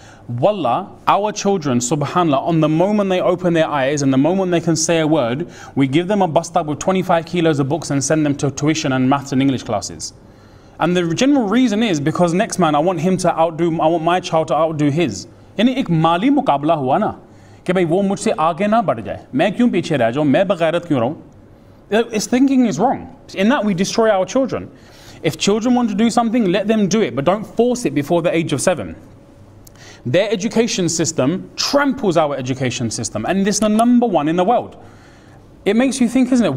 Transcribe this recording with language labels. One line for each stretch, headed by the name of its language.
English: Wallah, our children, subhanAllah, on the moment they open their eyes and the moment they can say a word, we give them a bus tab with 25 kilos of books and send them to tuition and maths and English classes. And the general reason is because next man, I want my child to outdo his.
Urdu: یعنی ایک مالی مقابلہ ہوا نا، کے بھائی وہ مجھسے آگے نہ بڑھ جائے. میں کیوں پیچھے رہ جاؤں? میں بےغیرت کیوں رہوں?
English: His thinking is wrong. In that we destroy our children. If children want to do something, let them do it, but don't force it before the age of 7. Their education system tramples our education system, and this is the number one in the world. It makes you think, isn't it?